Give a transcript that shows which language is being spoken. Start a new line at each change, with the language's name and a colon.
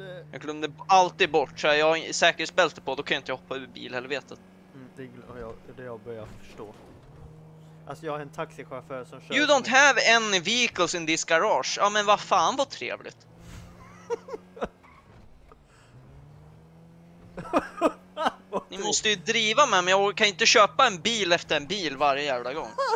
Swedish: Jag glömde alltid bort, så jag har säkerhetsbälte på, då kan jag inte hoppa ur bil, helvetet. Det jag börjar förstå. Alltså jag har en taxichaufför som kör...
English: You don't have any vehicles in this garage.
Swedish: Ja, men vad fan, vad trevligt. Hahaha. Ni måste ju driva med mig, jag kan inte köpa en bil efter en bil varje jävla gång.